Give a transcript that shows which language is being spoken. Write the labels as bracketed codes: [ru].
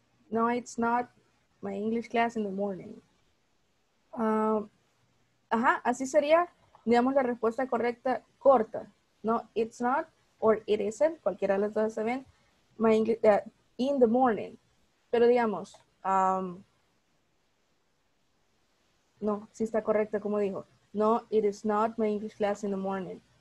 [en] No, it's not my English class in the morning. [es] Ajá, así sería, digamos, la respuesta correcta, corta. [en] No, it's not, or it isn't, [es] cualquiera de las dos saben, [en] my English, in the morning. [es] Pero digamos, no, sí está correcta, como dijo. [en] No, it is not my English class in the morning.